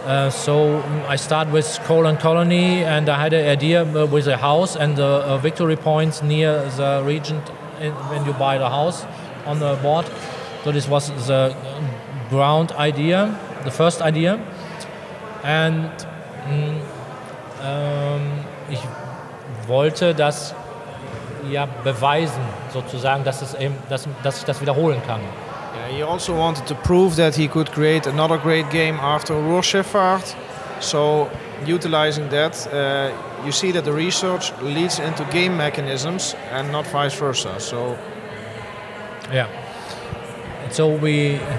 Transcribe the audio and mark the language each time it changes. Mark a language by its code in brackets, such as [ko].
[en] So I start with Coal and Colony, and I had an idea with a house and the victory points near the region when you buy the house on the board. So this was the ground idea, the first idea. [de] And ich wollte das ja beweisen, sozusagen, dass ich das wiederholen kann. [en] He also wanted to prove that he could create another great game after Ruhrschifffahrt. So, utilizing that, you see that the research leads into game mechanisms and not vice versa. So, yeah. So we